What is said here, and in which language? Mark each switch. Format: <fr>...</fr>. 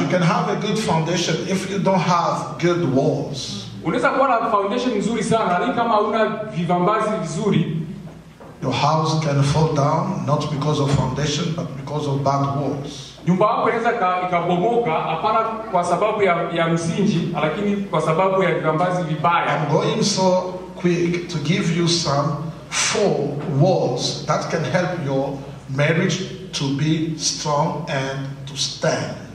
<en>You can have a good foundation if you don't have good walls.</en> <sw>Unaweza kuwa na foundation nzuri sana lakini kama una vivambazi vizuri,</sw> <en>your house can fall down not because of foundation but because of bad walls.</en> <sw>Nyumba yako inaweza ikabomoka hapana kwa sababu ya msingi lakini kwa sababu ya vivambazi vibaya.</sw> <en>I'm going so quick to give you some four walls that can help your marriage to be strong and to stand.</en>